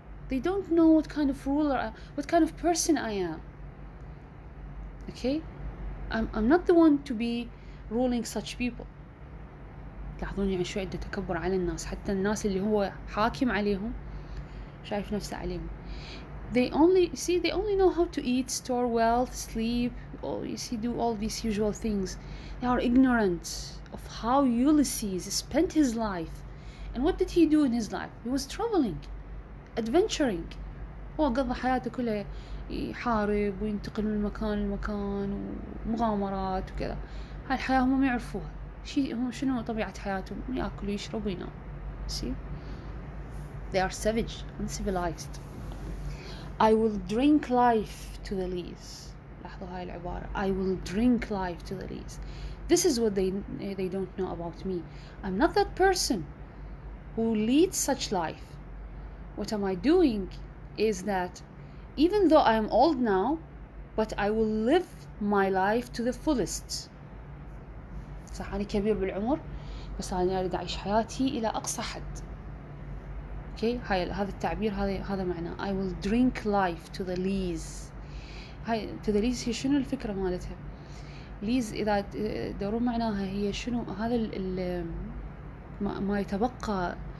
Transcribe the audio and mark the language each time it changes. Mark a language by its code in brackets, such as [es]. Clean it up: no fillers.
[en] They don't know what kind of ruler, what kind of person I am. Okay, I'm not the one to be ruling such people. [ar] لاحظوني يعني شو عدة تكبر على الناس حتى الناس اللي هو حاكم عليهم شايف نفسه عليهم. [en] They only know how to eat, store wealth, sleep. Oh, you see, do all these usual things. They are ignorant of how Ulysses spent his life, and what did he do in his life? He was traveling. Adventuring. [ar] هو قضى حياته كلها يحارب وينتقل من مكان لمكان ومغامرات وكذا. هاي الحياة هم ما يعرفوها. هم شنو طبيعة حياتهم؟ يأكلوا يشربوا ينام. [en] See? They are savage, uncivilized. I will drink life to the lees. [ar] لاحظوا هاي العبارة. [en] I will drink life to the lees. This is what they don't know about me. I'm not that person who leads such life. What am I doing is that even though I am old now, but I will live my life to the fullest. [ar] صح أنا كبير بالعمر بس أنا أريد أعيش حياتي إلى أقصى حد. Okay, هذا التعبير هذا معناه. [en] I will drink life to the lees. [ar] هاي [en] to the lees [ar] هي شنو الفكرة مالتها؟ lees إذا دورون معناها هي شنو هذا ما يتبقى.